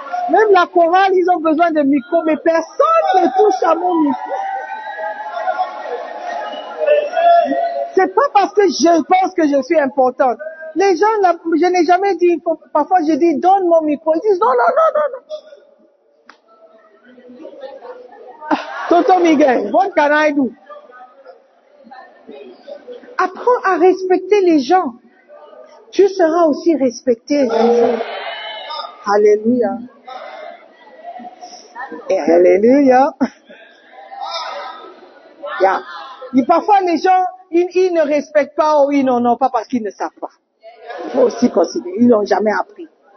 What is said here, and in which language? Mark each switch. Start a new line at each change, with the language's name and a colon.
French: Même la chorale, ils ont besoin de micro, mais personne ne touche à mon micro. C'est pas parce que je pense que je suis importante. Les gens, là, je n'ai jamais dit, parfois je dis donne mon micro, ils disent non.
English: Tonton Miguel, what can I do?
French: Apprends à respecter les gens. Tu seras aussi respecté. Alléluia. Alléluia. Yeah. Et parfois, les gens, ils ne respectent pas ou ils n'en ont pas parce qu'ils ne savent pas. Il faut aussi considérer. Ils n'ont jamais appris.